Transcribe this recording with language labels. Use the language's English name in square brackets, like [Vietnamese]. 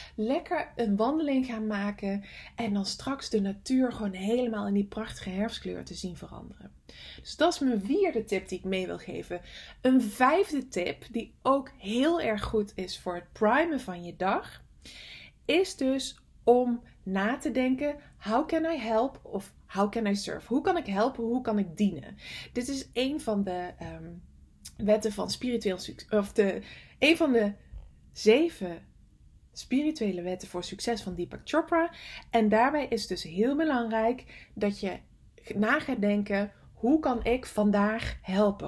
[Dutch] Lekker een wandeling gaan maken. En dan straks de natuur gewoon helemaal in die prachtige herfstkleur te zien veranderen. Dus dat is mijn vierde tip die ik mee wil geven. Een vijfde tip die ook heel erg goed is voor het primen van je dag. Is dus om... na te denken, [English] how can I help [Dutch] of [English] how can I serve? [Dutch] Hoe kan ik helpen, hoe kan ik dienen? Dit is een van de wetten van spiritueel succes, of de een van de 7 spirituele wetten voor succes van Deepak Chopra. En daarbij is dus heel belangrijk dat je na gaat denken, hoe kan ik vandaag helpen?